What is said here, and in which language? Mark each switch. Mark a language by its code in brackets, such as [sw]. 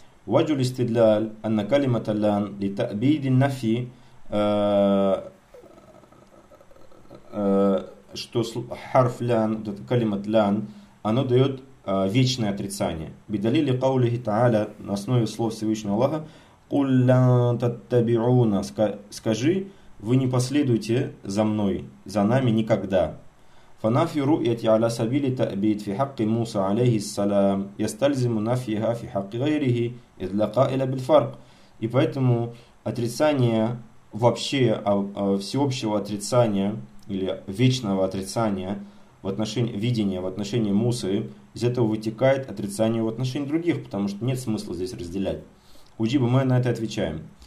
[ar] «Ваджу листидляль анна калимата лян ли таабиди нафи» [ru] что «харф лян», «калимат лян», оно дает вечное отрицание. [ar] «Бидалили каулихи та'аля» [ru] – на основе слов Всевышнего Аллаха [ar] «Кул лян таттабиуна» [ru] – «Скажи, вы не последуете за мной, за нами никогда». [ar] فنفي رؤيتي على سبيل التأبيد في حق موسى عليه السلام يستلزم نفيها في حق غيره إذ لا قائل بالفرق. [ru] И поэтому отрицание вообще, всеобщего отрицания или вечного отрицания в отношении видения, в отношении Мусы, из этого вытекает отрицание в отношении других, потому что нет смысла здесь разделять. Уджиба, мы на это отвечаем.